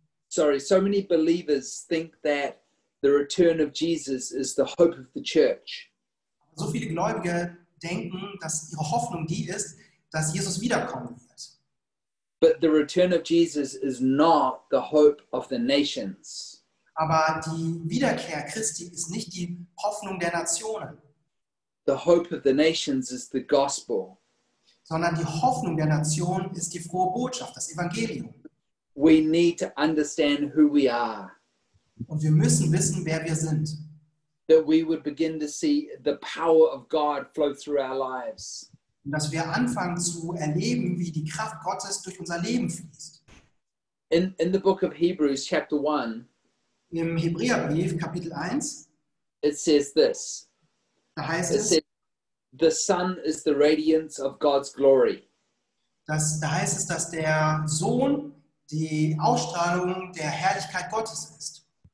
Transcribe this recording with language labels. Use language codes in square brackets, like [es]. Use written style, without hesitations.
[en] so many believers think that the return of Jesus is the hope of the church. [de] So viele Gläubige denken, dass ihre Hoffnung die ist, dass Jesus wiederkommen wird. [en] But the return of Jesus is not the hope of the nations. [de] Aber die Wiederkehr Christi ist nicht die Hoffnung der Nationen. [en] The hope of the nations is the gospel. [de] Sondern die Hoffnung der Nationen ist die frohe Botschaft, das Evangelium. [en] We need to understand who we are. [de] Und wir müssen wissen, wer wir sind. [en] That we would begin to see the power of God flow through our lives. [de] Und dass wir anfangen zu erleben, wie die Kraft Gottes durch unser Leben fließt. [en] In the book of Hebrews, chapter 1, [de] im Hebräerbrief, Kapitel 1, [en] it says this. [de] Da heißt es, [en] says, the Son is the radiance of God's glory. [de] Da heißt es, dass der Sohn die Ausstrahlung der Herrlichkeit Gottes ist.